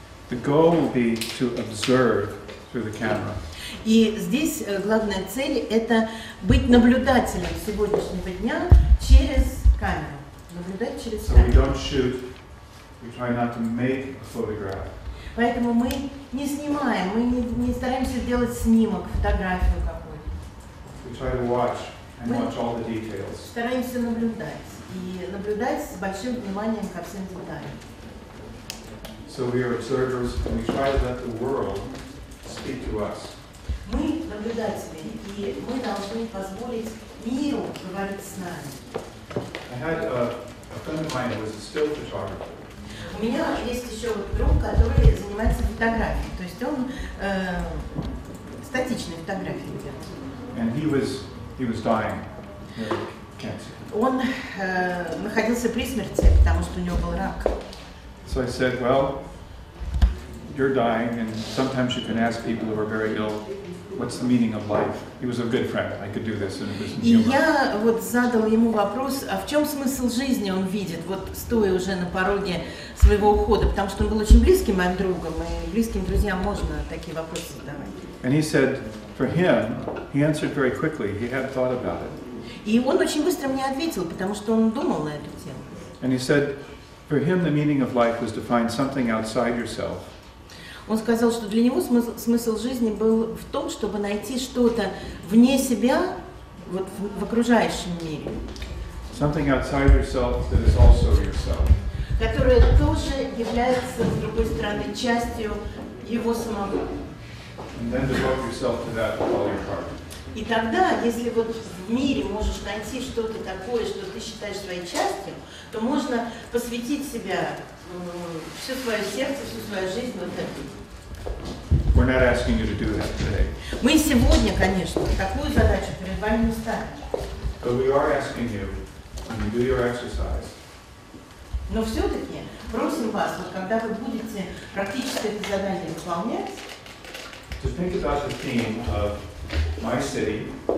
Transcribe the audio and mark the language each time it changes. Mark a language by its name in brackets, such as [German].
[English] The goal will be to observe through the camera. [Russian] И здесь главная цель – это быть наблюдателем сегодняшнего дня через камеру. Наблюдать через камеру. [English] So we don't shoot, we try not to make a photograph. [Russian] Поэтому мы не снимаем, мы не стараемся делать снимок, фотографию какую-то. [English] We try to watch and watch all the details. [Russian] Стараемся наблюдать и наблюдать с большим вниманием ко всем деталям. [English] So we are observers and we try to let the world speak to us. [Russian] Мы наблюдатели и мы должны позволить миру говорить с нами. [English] I had a friend of mine who was a still photographer. [Russian] У меня есть еще друг, который занимается фотографией, то есть он статичной фотографией делает. [English] And he was dying of cancer. [Russian] Он находился при смерти, потому что у него был рак. [English] So I said, "Well, you're dying, and sometimes you can ask people who are very ill, what's the meaning of life?" He was a good friend. I could do this, and it was humorous. [Russian] И я вот задал ему вопрос, а в чем смысл жизни? Он видит, вот стоя уже на пороге своего ухода, потому что он был очень близким моим другом, и близким друзьям можно такие вопросы задавать. [English] And he said, for him, he answered very quickly. He had thought about it. [Russian] И он очень быстро мне ответил, потому что он думал на эту тему. [English] And he said, for him, the meaning of life was to find something outside yourself. [Russian] Он сказал, что для него смысл жизни был в том, чтобы найти что-то вне себя, вот в окружающем мире. [English] Something outside yourself that is also yourself. [Russian] Которое тоже является, с другой стороны, частью его самого. [English] And then devote yourself to that with all your heart. [Russian] И тогда, если вот в мире можешь найти что-то такое, что ты считаешь своей частью, то можно посвятить себя все свое сердце, всю свою жизнь вот этому. [English] We're not asking you to do that today. [Russian] Мы сегодня, конечно, такую задачу перед вами не ставим. [English] But we are asking you when you do your exercise. [Russian] Но все-таки просим вас, вот когда вы будете практически это задание выполнять. [English] To think about the theme of my city.